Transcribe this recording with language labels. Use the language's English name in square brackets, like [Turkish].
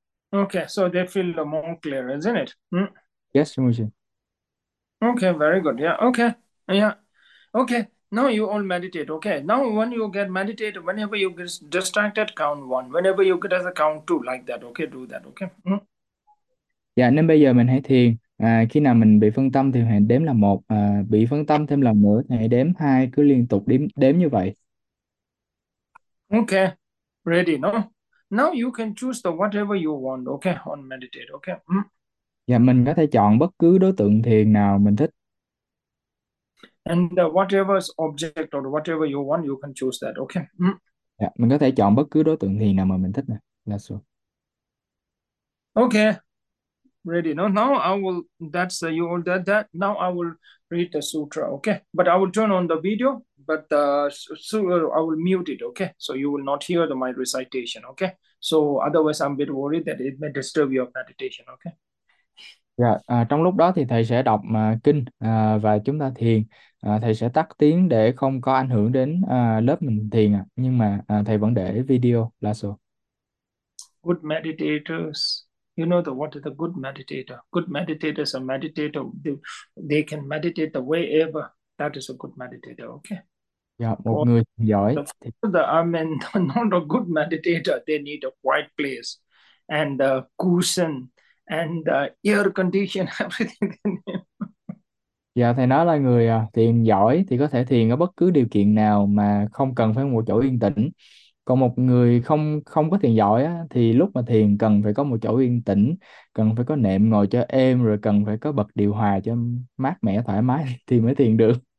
[English] Okay, so they feel more clear, isn't it? Yes, Okay, very good. Yeah, okay. Yeah. Okay. Now you all meditate. Okay. Now when you get meditated, whenever you get distracted, count one. Whenever you get as a count two, like that. Okay, do that. Okay. [Vietnamese] dạ, nên bây giờ mình hãy thiền. À, khi nào mình bị phân tâm thì hãy đếm là một. À, bị phân tâm thêm lần nữa thì hãy đếm hai, cứ liên tục đếm đếm như vậy. [English] Okay, ready, no? Now you can choose the whatever you want, okay, on meditate, okay. [Vietnamese] Dạ, mình có thể chọn bất cứ đối tượng thiền nào mình thích. [English] And whatever object or whatever you want, you can choose that, okay. [Vietnamese] Dạ, mình có thể chọn bất cứ đối tượng thiền nào mà mình thích nè, là sao? [English] Okay, ready, no? Now I will, that's you all that, now I will read the sutra, okay. But I will turn on the video. But so I will mute it, okay? So you will not hear the my recitation, okay? So otherwise, I'm a bit worried that it may disturb your meditation, okay? [Vietnamese] Dạ, trong lúc đó thì thầy sẽ đọc kinh và chúng ta thiền. Thầy sẽ tắt tiếng để không có ảnh hưởng đến lớp mình thiền ạ. Nhưng mà thầy vẫn để video là sao? [English] Meditators. You know the what is the good meditator? Good meditators are meditator. They can meditate the way ever. That is a good meditator, okay? [Vietnamese] Dạ, một [English] Or [Vietnamese] người giỏi. [English] the good meditator, they need a quiet place and a cushion and air condition, everything they need. [Vietnamese] Dạ, thầy nói là người thiền giỏi thì có thể thiền ở bất cứ điều kiện nào mà không cần phải một chỗ yên tĩnh. Còn một người không không có thiền giỏi á, thì lúc mà thiền cần phải có một chỗ yên tĩnh, cần phải có nệm ngồi cho êm, rồi cần phải có bật điều hòa cho mát mẻ thoải mái thì mới thiền được.